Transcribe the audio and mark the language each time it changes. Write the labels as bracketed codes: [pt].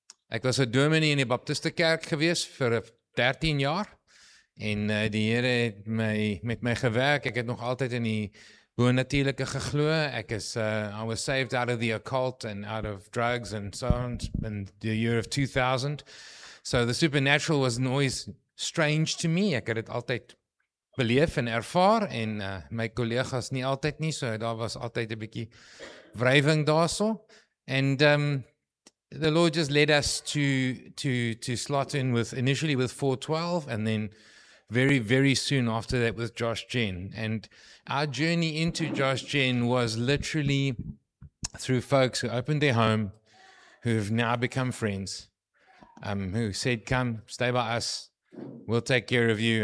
[af] Ek was 'n dominee in die Baptiste kerk gewees vir 13 jaar en die Here het my met my gewerk. Ek het nog altyd in die bonatuurlike geglo. Ek is [en] I was saved out of the occult and out of drugs and so on in the year of 2000. So the supernatural was always strange to me. [af] Ek het dit altyd beleef en ervaar en my kollegas nie altyd nie, so daar was altyd 'n bietjie wrijving daarso. [en] And the Lord just led us to slot in with initially with 412 and then very, very soon after that with Josh Jen. And our journey into Josh Jen was literally through folks who opened their home, who have now become friends, who said, come, stay by us, we'll take care of you.